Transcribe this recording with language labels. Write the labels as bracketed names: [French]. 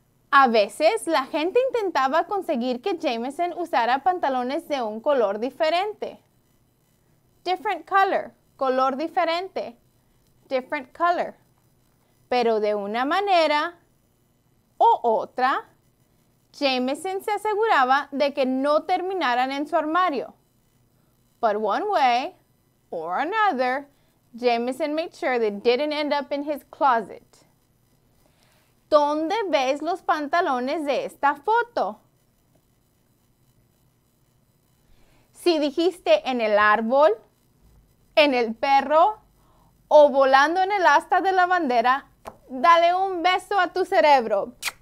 [Spanish] A veces la gente intentaba conseguir que Jameson usara pantalones de un color diferente. [English] Different color, [Spanish] color diferente. [English] Different color. [Spanish] Pero de una manera o otra, Jameson se aseguraba de que no terminaran en su armario. [English] But one way or another, Jameson made sure they didn't end up in his closet. [Spanish] ¿Dónde ves los pantalones de esta foto? Si dijiste en el árbol, en el perro o volando en el asta de la bandera, dale un beso a tu cerebro.